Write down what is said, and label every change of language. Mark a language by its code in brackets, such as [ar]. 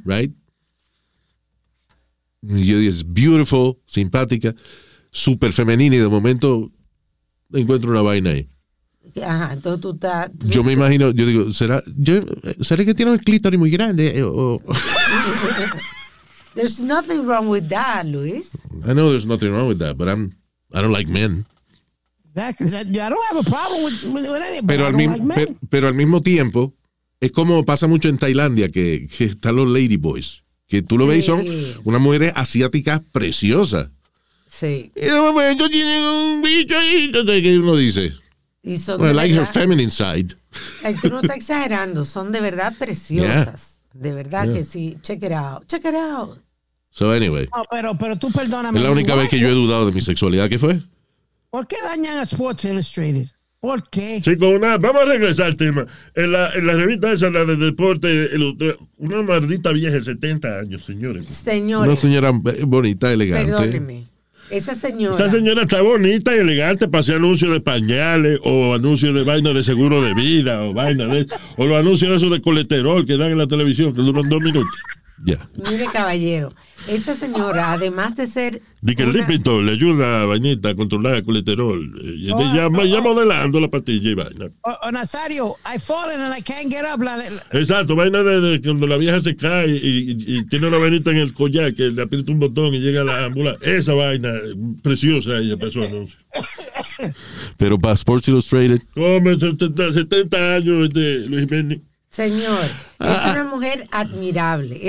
[en] Right? [es] Y yo digo, es beautiful, simpática, súper femenina, y de momento encuentro una vaina ahí. Ajá, entonces tú estás. Yo me imagino, yo digo, ¿será que tiene un clítoris muy grande? O... [en] There's nothing wrong with that, Luis. I know there's nothing wrong with that, but I don't like men. I don't have a problem with anybody. [es] Pero al mismo tiempo, es como pasa mucho en Tailandia, que están los ladyboys. Que tú lo sí. Ves y son unas mujeres asiáticas preciosas. Sí. Y de momento tienen un bicho ahí, que uno dice. Y son [en] well, like [es] verdad, [en] her feminine side. [es] Tú no estás exagerando, son de verdad preciosas. [en] Yeah. [es] De verdad [en] yeah. [es] Que sí. [en] Check it out. So anyway. [es] No, pero tú perdóname. Es la única vez que yo he dudado de mi sexualidad, ¿qué fue? ¿Por qué dañan a Sports Illustrated? ¿Por qué? Sí, con una. Vamos a regresar al tema. En la revista esa, la de deporte, una maldita vieja de 70 años, señores. Señores. Una señora bonita, elegante. Perdóneme. Esa señora. Esa señora está bonita y elegante para hacer anuncios de pañales o anuncios de vaina de seguro de vida o vaina de. O los anuncios de eso de colesterol que dan en la televisión, que duran 2 minutos. Yeah. Mire, caballero, esa señora, además de ser... Y que una... el lípido le ayuda a Bañita a controlar el colesterol. Y oh, ella, oh, ya modelando la pastilla y vaina. [en] Oh, Nazario, I've fallen and I can't get up. [es] Exacto, vaina de cuando la vieja se cae y tiene una venita en el collar que le aprieta un botón y llega a la ambulancia. Esa vaina preciosa, ella empezó a anunciar. Pero para Sports Illustrated... Come, 70 años, este, Luis Jiménez. Señor, es una mujer admirable.